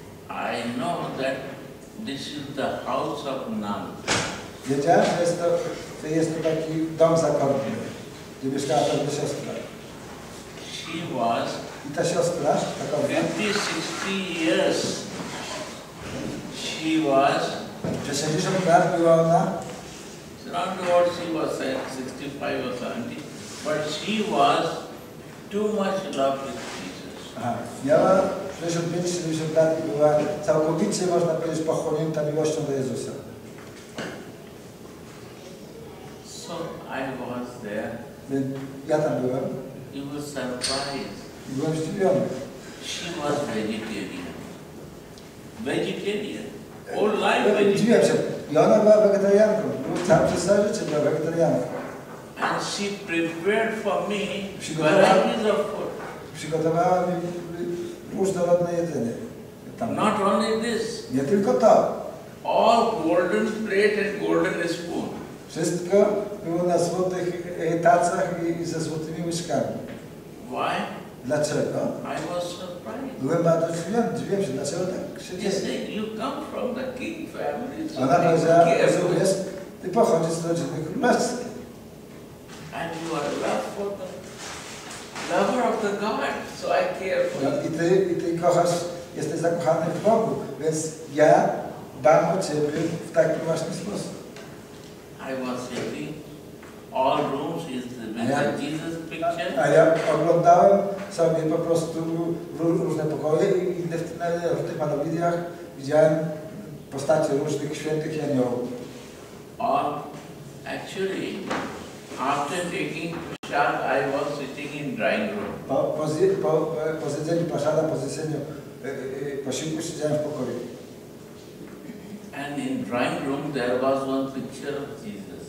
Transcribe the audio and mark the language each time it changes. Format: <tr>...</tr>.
<en>I know that this is the house of Nam.</en> <pl>Wiedziałem, że jest to taki dom zakonny, gdzie mieszkała ta siostra.</pl> <en>She was.</en> <pl>I ta siostra, taka.</pl> <en>50-60 years. She was.</en> <pl>60 lat była ona.</pl> <en>Around what she was 65 or 70, but she was too much loved with Jesus.</en> <pl>Miała 65-70 lat i była całkowicie, można powiedzieć, pochłonięta miłością do Jezusa.</pl> <en>So I was there.</en> <pl>Więc ja tam byłem.</pl> <en>I was surprised.</en> <pl>I byłem zdziwiony.</pl> <en>She was vegetarian. Vegetarian. All life vegetarian.</en> <pl>I ona była wegetarianką. Tam przez całe życie była wegetarianką.</pl> <en>And she prepared for me varieties of food.</en> <pl>Przygotowała mi różnorodne jedzenie. Tam.</pl> <en>Not only this.</en> <pl>Nie tylko to.</pl> <en>All golden plate and golden spoon.</en> <pl>Wszystko było na złotych tacach i ze złotymi łyżkami.</pl> <en>Why?</en> <pl>Dlaczego?</pl> <en>I was surprised.</en> <pl>Byłem bardzo zdziwiony. Dziwiłem się, dlaczego tak się dzieje.</pl> <en>You come from the king family.</en> <pl>Ona powiedziała, że jest, ty pochodzisz z rodziny królewskiej.</pl> <en>And you are loved for the lover of the God, so I care for you.</en> <pl>I ty kochasz, jesteś zakochany w Bogu, więc ja dbam o ciebie w taki właśnie sposób.</pl> <en>I was happy. All rooms is Jesus picture.</en> <pl>A ja oglądałem sobie po prostu różne pokoje i inne w tych malowidiach widziałem postacie różnych świętych i aniołów.</pl> <en>Or actually, after taking prasad, I was sitting in drawing room.</en> <pl>Po zjedzeniu prasada, po zjedzeniu posiłku siedziałem w pokoju.</pl> <en>And in drawing room there was one picture of Jesus.</en>